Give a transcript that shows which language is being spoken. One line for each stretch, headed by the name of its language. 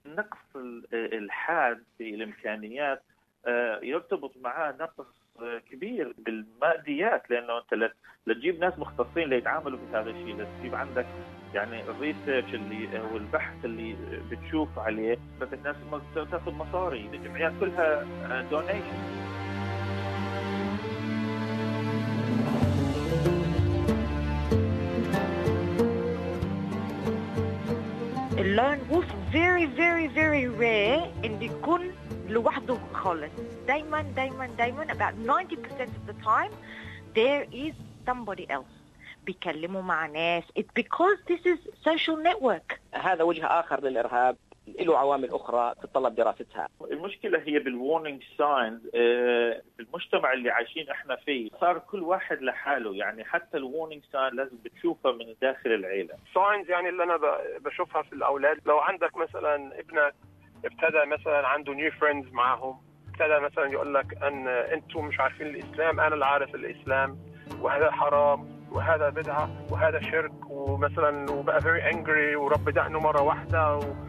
Arabic: نقص الحاد في الإمكانيات يرتبط معاه نقص كبير بالماديات، لأنه أنت لتجيب ناس مختصين ليتعاملوا في هذا الشيء، لتجيب عندك يعني الريسيرش اللي والبحث اللي بتشوف عليه، بدك ناس تأخذ مصاري، الجمعيات كلها دونيشن. اللون وولف
English: very very very rare
Arabic: إن يكون لوحده خالص. دايما
English: about 90% of the time there is somebody else
Arabic: بيكلموا مع ناس.
English: It's because this is social network.
Arabic: هذا وجه آخر للإرهاب، له عوامل أخرى تتطلب دراستها. المشكلة هي بال
English: warning signs
Arabic: في المجتمع اللي عايشين إحنا فيه، صار كل واحد لحاله، يعني حتى ال
English: warning sign
Arabic: لازم بتشوفها من داخل العيلة.
English: signs
Arabic: يعني اللي أنا بشوفها في الأولاد، لو عندك مثلا ابنك ابتدى مثلا عنده
English: new friends
Arabic: معهم، ابتدى مثلا يقول لك أن أنتوا مش عارفين الإسلام، أنا العارف الإسلام، وهذا حرام وهذا بدعة وهذا شرك، ومثلا وبقى
English: very angry
Arabic: ورب دقنه مرة واحدة